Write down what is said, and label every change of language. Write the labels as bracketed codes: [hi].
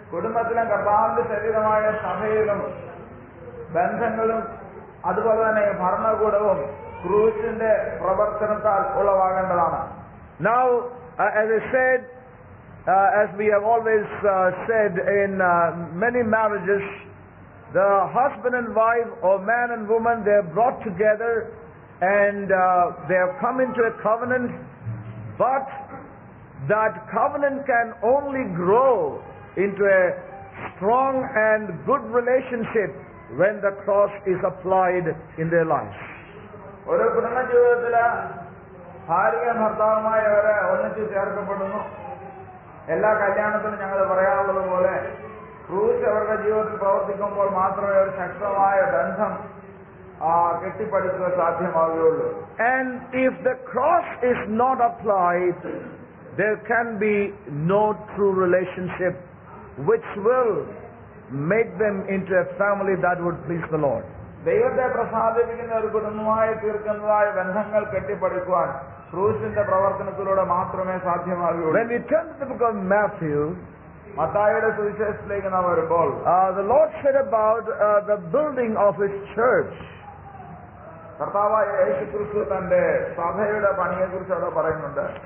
[ml] കുടുംബത്തിലും കർത്താവിന്റെ ശരീരമായ സഭയിലും ബന്ധങ്ങളും അതുപോലെ തന്നെ ഭരണകൂടവും ക്രൂശിന്റെ പ്രവർത്തനത്താൽ ഉളവാകേണ്ടതാണ്. [en] Now, as I said, as we have always said in many marriages, the husband and wife, or man and woman, they are brought together and they have come into a covenant, but that covenant can only grow into a strong and good relationship when the cross is applied in their lives. [ml] ഒരു കുടുംബജീവിതത്തില് ഭാര്യ ഭർത്താവുമായവരെ ഒന്നിച്ച് ചേർക്കപ്പെടുന്നു. എല്ലാ കല്യാണത്തിനും ഞങ്ങൾ പറയാറുള്ളത് പോലെ ക്രൂശ് അവരുടെ ജീവിതത്തിൽ പ്രവർത്തിക്കുമ്പോൾ മാത്രമേ ഒരു ശക്തമായ ബന്ധം കെട്ടിപ്പടുക്കുക സാധ്യമാവുകയുള്ളൂ. [en] And if the cross is not applied, there can be no true relationship which will make them into a family that would please the Lord. [ml] ദൈവത്തെ പ്രസാദിപ്പിക്കുന്ന ഒരു കുടുംബമായി തീർക്കുന്നതായ ബന്ധങ്ങൾ കെട്ടിപ്പടുക്കുവാൻ ക്രൂശിന്റെ പ്രവർത്തനത്തിലൂടെ മാത്രമേ സാധ്യമാകൂ. [en] When we turn to the book of Matthew, [ml] മത്തായിയുടെ സുവിശേഷത്തിലേക്ക് നാം വരുമ്പോൾ, [en] the Lord said about the building of his church. [ml] കർത്താവായ യേശു ക്രിസ്തു തന്റെ സഭയുടെ പണിയെ കുറിച്ച് അവിടെ പറയുന്നുണ്ട്.